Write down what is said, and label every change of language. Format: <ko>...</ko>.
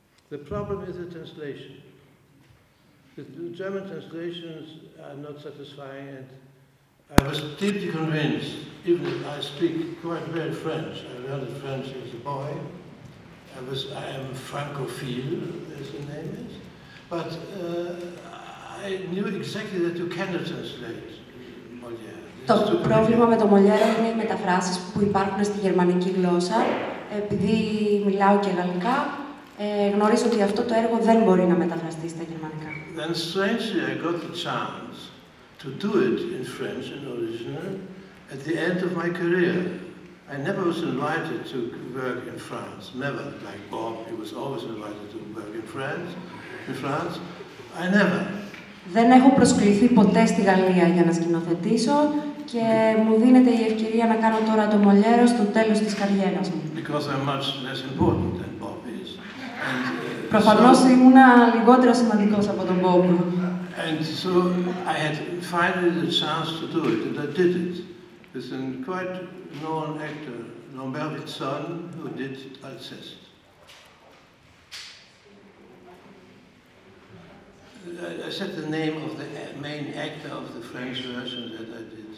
<en>The problem is the translation. The German translations are not satisfying, and I was deeply convinced, even if I speak quite well French, I learned French as a boy, I am Francophile, as the name is, but I knew exactly that you cannot translate Molière.</en> <el>Το πρόβλημα με το Molière είναι οι μεταφράσεις που υπάρχουν στη γερμανική γλώσσα. Επειδή μιλάω και γαλλικά, γνωρίζω ότι αυτό το έργο δεν μπορεί να μεταφραστεί στα γερμανικά.</el> <en>Then strangely I got the chance to do it in French in original at the end of my career. I never was invited to work in France, never. Like Bob, he was always invited to work in France. I never.</en> <el>Δεν έχω προσκληθεί ποτέ στη Γαλλία για να σκηνοθετήσω και μου δίνεται η ευκαιρία να κάνω τώρα το Μολιέρο στο τέλος της καριέρας μου.</el> <en>Because I'm much less important than Bob is.</en> <el>Προφανώς ήμουν λιγότερο σημαντικός από τον Bob.</el> <en>And so I had finally the chance to do it, and I did it. With a quite known actor, Lambert Wilson, who did Alceste. I said the name of the main actor of the French version that I did.</en>